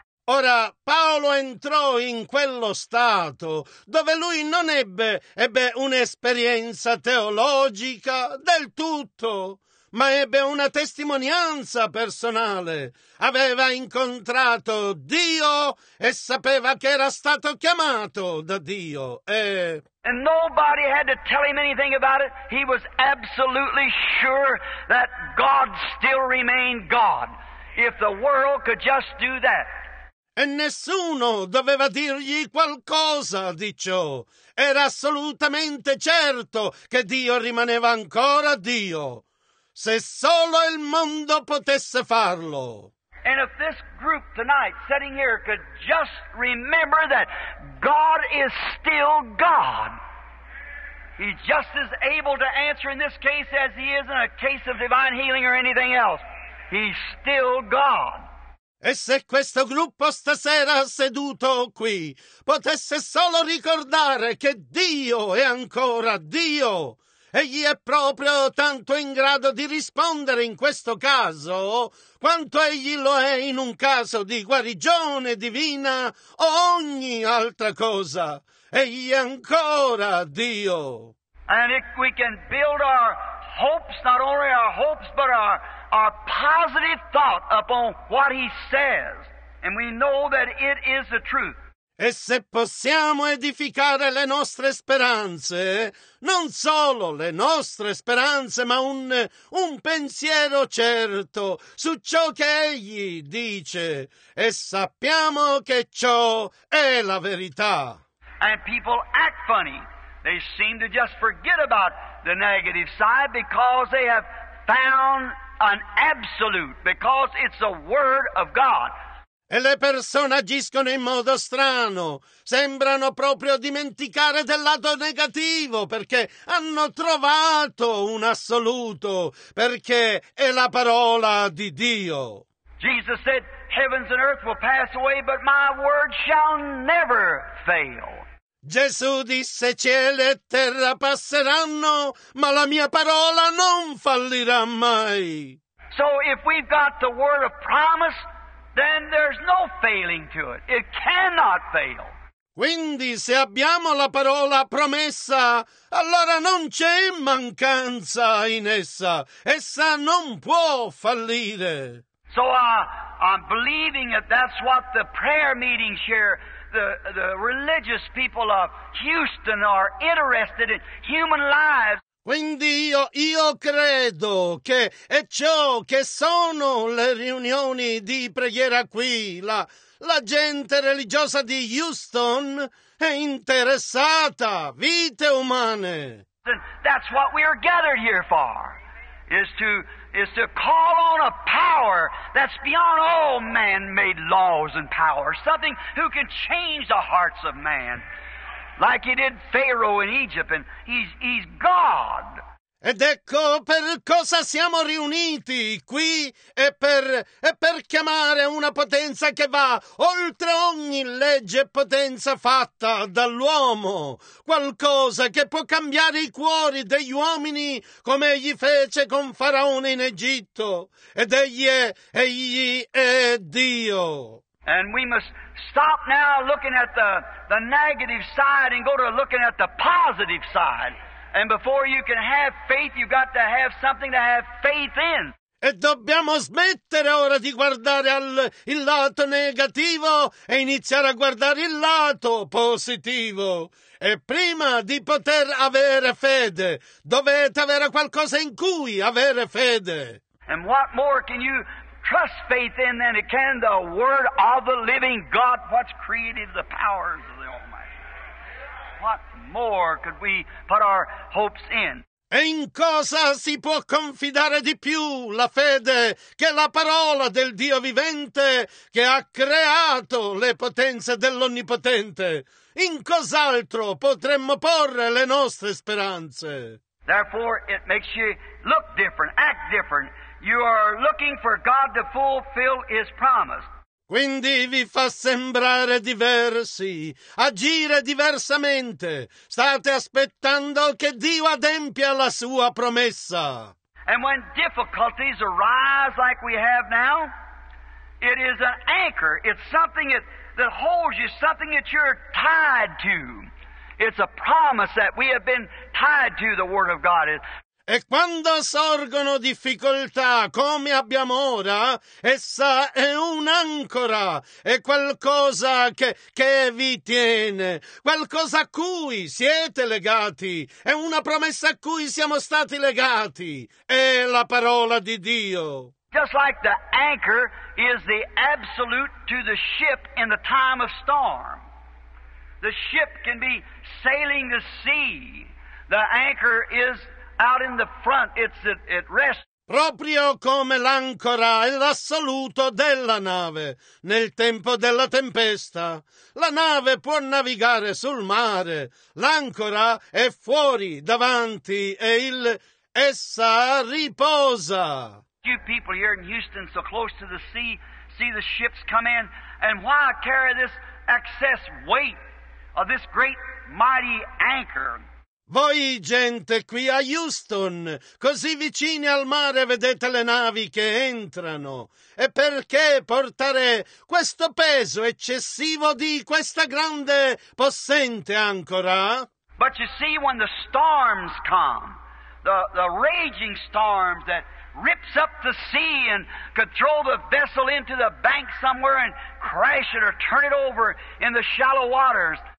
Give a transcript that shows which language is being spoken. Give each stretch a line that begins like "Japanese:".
Italian: Ora, Paolo entrò in quello stato dove lui non ebbe un'esperienza teologica del tutto, ma ebbe una testimonianza personale. Aveva incontrato Dio e sapeva che era stato chiamato da Dio.
English: And nobody had to tell him anything about it. He was absolutely sure that God still remained God. If the world could just do that.
Italian: E nessuno doveva dirgli qualcosa di ciò. Era assolutamente certo che Dio rimaneva ancora Dio. Se solo il mondo potesse farlo.
English: And if this group tonight, sitting here, could just remember that God is still God. He's just as able to answer in this case as he is in a case of divine healing or anything else. He's still God.
Italian: E se questo gruppo stasera seduto qui potesse solo ricordare che Dio è ancora Dio, egli è proprio tanto in grado di rispondere in questo caso quanto egli lo è in un caso di guarigione divina o ogni altra cosa. Egli è ancora Dio.
English: And if we can build our hopes, not only our hopes, but our positive thought upon what he says, and we know that it is the truth.
Italian: E se possiamo edificare le nostre speranze, non solo le nostre speranze, ma un pensiero certo su ciò che egli dice, e sappiamo che ciò è la verità.
English: And people act funny. They seem to just forget about the negative side because they have found an absolute, because it's the word of God.
Italian: E le persone agiscono in modo strano, sembrano proprio dimenticare del lato negativo perché hanno trovato un assoluto, perché è la parola di Dio.
English: Jesus said, "Heavens and earth will pass away, but my word shall never fail."
Italian: Gesù disse, cielo e terra passeranno, ma la mia parola non fallirà mai.
English: So if we've got the word of promise, then there's no failing to it. It cannot fail.
Italian: Quindi se abbiamo la parola promessa, allora non c'è mancanza in essa. Essa non può fallire.
English: So I'm believing that that's what the prayer meetings here, the religious people of Houston are interested in, human lives.
Italian: Quindi io credo che è ciò che sono le riunioni di preghiera qui, la gente religiosa di Houston è interessata, vite umane.
English: That's what we are gathered here for, is to call on a power that's beyond all man-made laws and power, something who can change the hearts of man, like he did Pharaoh in Egypt, and he's God.
Italian: Ed ecco per cosa siamo riuniti qui, e per chiamare una potenza che va oltre ogni legge e potenza fatta dall'uomo, qualcosa che può cambiare i cuori degli uomini come egli fece con Faraone in Egitto, ed egli è Dio.
English: And we must stop now looking at the negative side and go to looking at the positive side. And before you can have faith, you've got to have something to have faith in.
Italian: E dobbiamo smettere ora di guardare il lato negativo e iniziare a guardare il lato positivo. E prima di poter avere fede, dovete avere qualcosa in cui avere fede.
English: And what more can you trust faith in than it can the word of the living God, what's created the powers of the Almighty? What more could we put our hopes in?
Italian: E in cosa si può confidare di più la fede che la parola del Dio vivente che ha creato le potenze dell'Onnipotente? In cos'altro potremmo porre le nostre speranze?
English: Therefore it makes you look different, act different. You are looking for God to fulfill His promise.
Italian: Quindi vi fa sembrare diversi, agire diversamente. State aspettando che Dio adempia la sua promessa.
English: And when difficulties arise like we have now, it is an anchor. It's something that holds you, something that you're tied to. It's a promise that we have been tied to, the Word of God is.
Italian: E quando sorgono difficoltà, come abbiamo ora, essa è un'ancora, è qualcosa che vi tiene, qualcosa a cui siete legati, è una promessa a cui siamo stati legati, è la parola di Dio.
English: Just like the anchor is the absolute to the ship in the time of storm. The ship can be sailing the sea. The anchor is out in the front, it rests.
Italian: Proprio come l'ancora è l'assoluto della nave nel tempo della tempesta. La nave può navigare sul mare, l'ancora è fuori, davanti, e essa riposa.
English: You people here in Houston, so close to the sea, see the ships come in, and why carry this excess weight of this great, mighty anchor?
Italian: Voi gente qui a Houston, così vicini al mare, vedete le navi che entrano. E perché portare questo peso eccessivo di questa grande possente ancora?
English: But you see, when the storms come, the raging storms that rips up the sea and control the vessel into the bank somewhere and crash it or turn it over in the shallow waters.